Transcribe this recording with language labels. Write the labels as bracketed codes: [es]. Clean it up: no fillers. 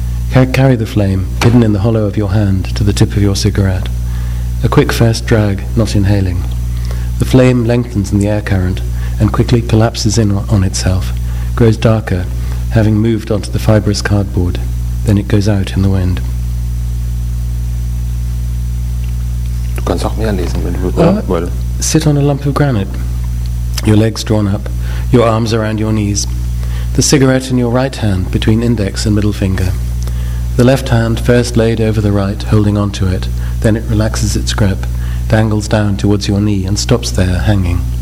[en] Carry the flame, hidden in the hollow of your hand, to the tip of your cigarette. A quick first drag, not inhaling. The flame lengthens in the air current and quickly collapses in on itself, grows darker, having moved onto the fibrous cardboard. Then it goes out in the wind. [de] Du kannst auch mehr lesen, wenn du willst. [en] Sit on a lump of granite, your legs drawn up, your arms around your knees, the cigarette in your right hand between index and middle finger, the left hand first laid over the right, holding on to it, then it relaxes its grip, dangles down towards your knee and stops there, hanging.